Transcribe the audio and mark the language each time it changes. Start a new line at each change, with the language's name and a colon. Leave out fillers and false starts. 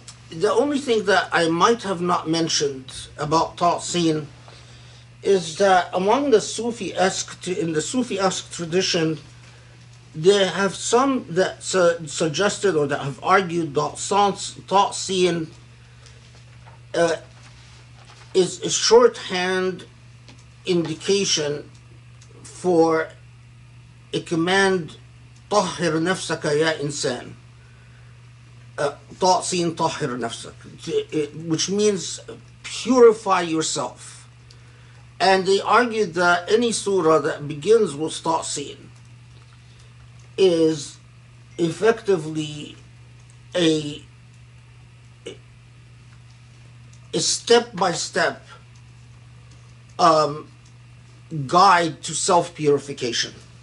English: The only thing that I might have not mentioned about Ta-Sin is that among the Sufi-esque tradition, there have some that suggested or that have argued that Ta-Sin is a shorthand indication for a command,
Arabic: طهر نفسك يا إنسان. طاسين طهر نفسك,
English: which means purify yourself. And they argued that any surah that begins with طاسين is effectively a step-by-step guide to self-purification.